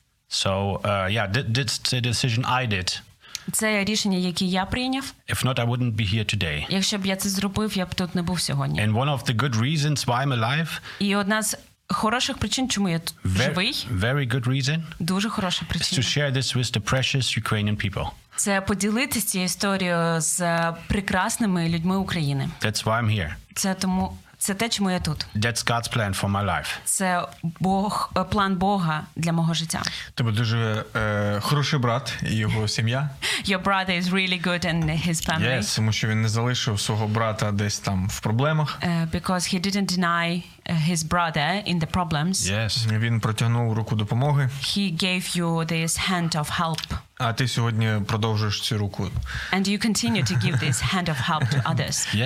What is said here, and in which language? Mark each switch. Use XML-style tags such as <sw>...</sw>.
<en>So, yeah, this is the decision I did.</en> <uk>Це рішення, яке я прийняв.</uk> <en>If not, I wouldn't be here today.</en> <uk>Якщо б я це зробив, я б тут не був сьогодні.</uk> <en>And one of the good reasons why I'm alive.</en> <uk>І одна з хороших причин, чому я тут живий.</uk> <en>Very good reason.</en> <uk>Дуже хороша причина.</uk> <en>Is to share this with the precious Ukrainian people.</en> <uk>Це поділитися цією історією з прекрасними людьми України.</uk> <en>That's why I'm here.</en> <uk>Це те, чому я тут.</uk> <en>That's God's plan for my life.</en> <uk>Це Бог, план Бога для мого життя. Тобто дуже хороший брат і його сім'я.</uk> <en>Your brother is really good and his family.</en> <uk>Yes, тому що він не залишив свого брата десь там в проблемах.</uk> <en>Because he didn't deny his brother in the problems. Yes.</en> <uk>Він протягнув руку допомоги.</uk> <en>He gave you this hand of help.</en> <uk>А ти сьогодні продовжуєш цю руку.</uk> <en>And you continue to give this hand of help to others.</en>